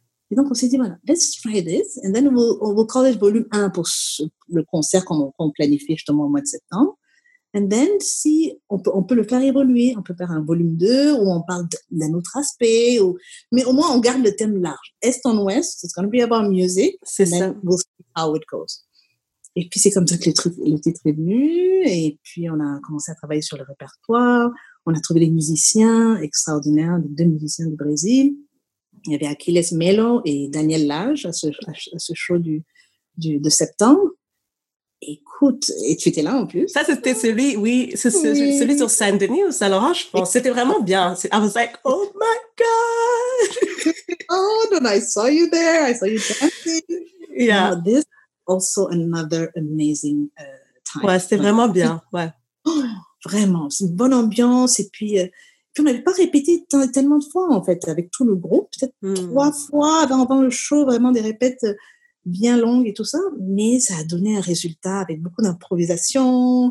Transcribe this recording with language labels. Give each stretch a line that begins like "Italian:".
French: Et donc, on s'est dit, voilà,
English: let's try this, and then we'll call it volume 1
French: pour le concert qu'on planifie justement au mois de septembre.
English: And then,
French: si on peut le faire évoluer, on peut faire un volume 2 où on parle d'un autre aspect, mais au moins on garde le thème large. Est en ouest,
English: it's going to be about music.
French: C'est ça.
English: Then we'll see how it goes.
French: Et puis c'est comme ça que le titre est venu. Et puis on a commencé à travailler sur le répertoire. On a trouvé des musiciens extraordinaires, deux musiciens du Brésil. Il y avait Aquiles Melo et Daniel Lage à ce show de septembre. Écoute, et tu étais là en plus. Ça, c'était celui, oui, c'est celui sur Saint-Denis ou Saint-Laurent, je pense. C'était vraiment bien.
English: I was like, oh my God! Oh, then I saw you there. I saw you dancing. Yeah. Now, this also another amazing time.
French: Ouais, c'était vraiment bien. Ouais. Oh, vraiment, c'est une bonne ambiance. Et puis, on n'avait pas répété tellement de fois, en fait, avec tout le groupe. Peut-être trois fois avant le show, vraiment des répètes bien longue et tout ça, mais ça a donné un résultat avec beaucoup d'improvisation.